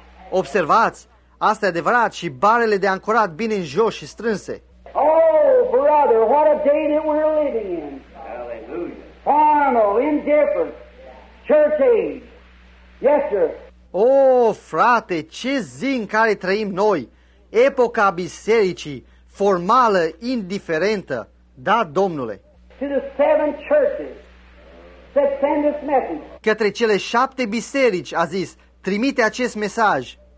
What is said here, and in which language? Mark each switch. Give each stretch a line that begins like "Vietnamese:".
Romanian: Observați, asta e adevărat, și barele de ancorat bine în jos și strânse.
English: Oh, brother, what a day that we're living in. Hallelujah. Formal, indifferent, church age. Yes, sir.
Romanian: Oh, frate, ce zi în care trăim noi. Epoca bisericii. Formală, indiferentă. Da, Domnule.
English: To the seven churches that send this message.
Romanian: Către cele șapte biserici, a zis, trimite acest mesaj.